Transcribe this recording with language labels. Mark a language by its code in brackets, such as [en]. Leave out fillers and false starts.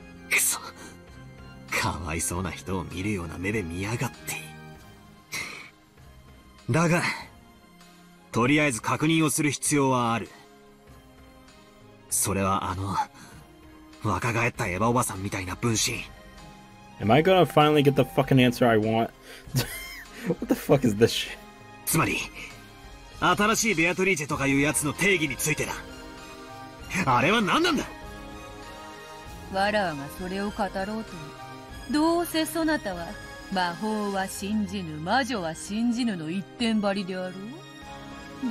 [ja] クソ、かわいそうな人を見るような目で見やがって。だがとりあえず確認をする必要はある。それはあの若返ったエヴァおばさんみたいな分身。 [en] Am I gonna finally get the fucking answer I want? What the fuck is this shit? [ja] つまり新しいベアトリーチェとかいうやつの定義についてだ。あれは何なんだ。わらわがそれを語ろうと、どうせそなたは魔法は信じぬ、魔女は信じぬの一点張りであろう。